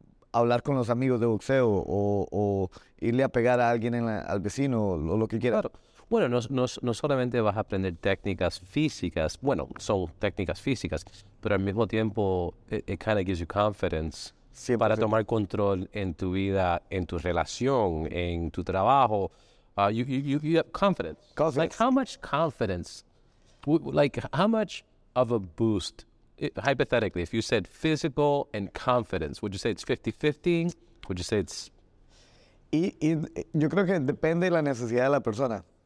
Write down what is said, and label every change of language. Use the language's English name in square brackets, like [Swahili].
[Spanish] Hablar con los amigos de boxeo o irle a pegar a alguien al vecino o lo que quieran. Claro. Bueno, no solamente vas a aprender técnicas físicas, bueno, son técnicas físicas, pero al mismo tiempo [English] it kind of gives you confidence. [Spanish] 100%. Para tomar control en tu vida, en tu relación, en tu trabajo. [English] You have confidence. Confidence. Like, how much confidence, like, how much of a boost, hypothetically, if you said physical and confidence, would you say it's 50-50? Would you say it's... [Spanish] Y yo creo que depende de la necesidad de la persona.